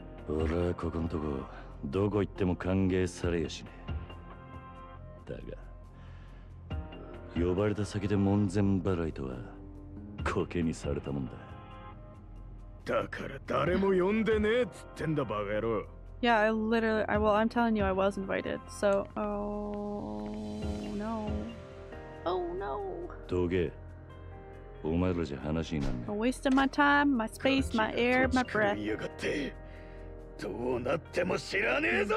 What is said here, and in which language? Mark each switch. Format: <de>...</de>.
<ja>俺はここんとこ、どこ行っても歓迎されやしね。だが、呼ばれた先で門前払いとは、コケにされたもんだ。だから誰も呼んでねえっつってんだバカ野郎。</ja> <en>Yeah, I literally, I, well, I'm telling you, I was invited. So, oh no, oh no.</en> <ja>どげ、お前らじゃ話になんない。</ja> <en>I'm wasting my time, my space, my air, my breath.</en> <ja>どうなっても知らねえぞ。</ja>